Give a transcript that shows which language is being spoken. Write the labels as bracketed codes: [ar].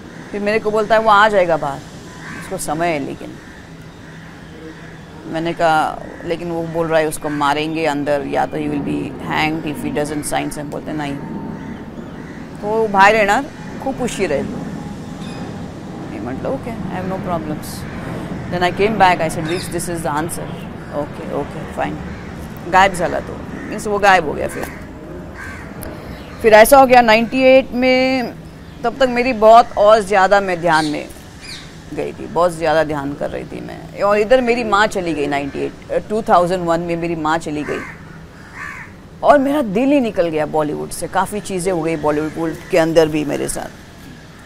[hi] फिर मेरे को बोलता है वो आ जाएगा बाहर, उसको समय है. लेकिन मैंने कहा, लेकिन वो बोल रहा है उसको मारेंगे अंदर, या तो [en] He will be hang if he doesn't sign. [hi] से बोलते नहीं. तो बाहर रहना खूब खुशी रहे. मतलब okay, [en] I have no problems. Then I came back, I said which this is the answer. Okay okay fine. [mr] गायब झाला तो [hi] मीन्स वो गायब हो गया. फिर ऐसा हो गया 98 में. तब तक मेरी बहुत और ज़्यादा मैं ध्यान में गई थी, बहुत ज़्यादा ध्यान कर रही थी मैं. और इधर मेरी माँ चली गई 2001 में मेरी माँ चली गई. और मेरा दिल ही निकल गया बॉलीवुड से. काफ़ी चीज़ें हो गई बॉलीवुड के अंदर भी मेरे साथ.